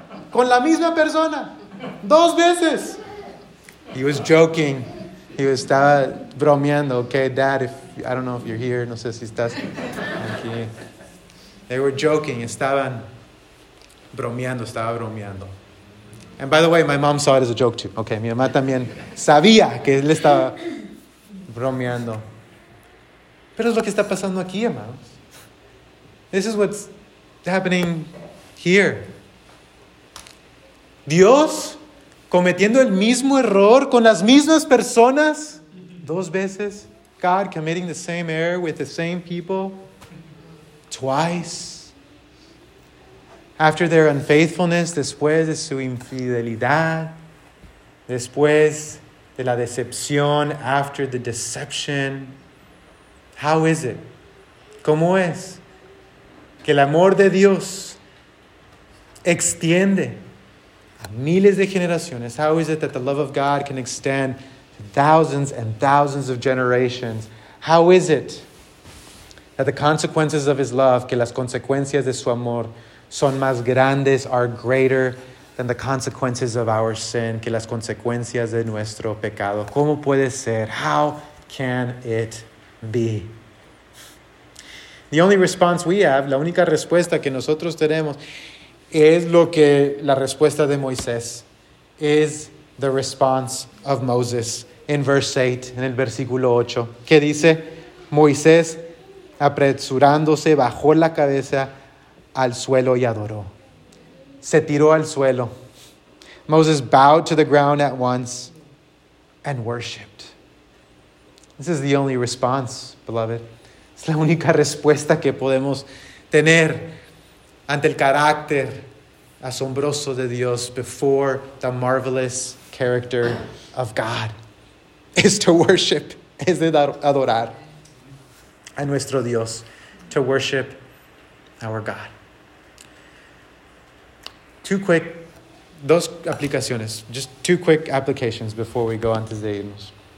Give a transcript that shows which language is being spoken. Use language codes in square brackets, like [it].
[es] Con la misma persona. Dos veces. [en] He was joking. He was [es] bromeando. [en] Okay, Dad, I don't know if you're here. [es] No sé si estás aquí. [en] They were joking. [es] Estaban bromeando. Estaba bromeando. [en] And by the way, my mom saw it as a joke too. [es] Okay, mi mamá también sabía que él estaba bromeando. Pero es lo que está pasando aquí, amados. [en] This is what's happening here. [es] Dios cometiendo el mismo error con las mismas personas dos veces. [en] God committing the same error with the same people twice. After their unfaithfulness, [es] después de su infidelidad, después de la decepción, [en] after the deception. How is it? [es] ¿Cómo es que el amor de Dios extiende miles de generaciones? [en] How is it that the love of God can extend to thousands and thousands of generations? How is it that the consequences of his love, [es] que las consecuencias de su amor son más grandes, [en] are greater than the consequences of our sin, [es] que las consecuencias de nuestro pecado? ¿Cómo puede ser? [en] How can it be? The only response we have, [es] la única respuesta que nosotros tenemos, es lo que la respuesta de Moisés, [en] is the response of Moses in verse 8, [es] en el versículo 8, que dice, Moisés apresurándose bajó la cabeza al suelo y adoró. se tiró al suelo. [en] Moses bowed to the ground at once and worshipped. This is the only response, beloved. [es] Es la única respuesta que podemos tener ante el carácter asombroso de Dios, [en] before the marvelous character of God, is to worship, [es] es de adorar a nuestro Dios, [en] to worship our God. Two quick, [es] dos aplicaciones, [en] just two quick applications before we go on to Zaynus.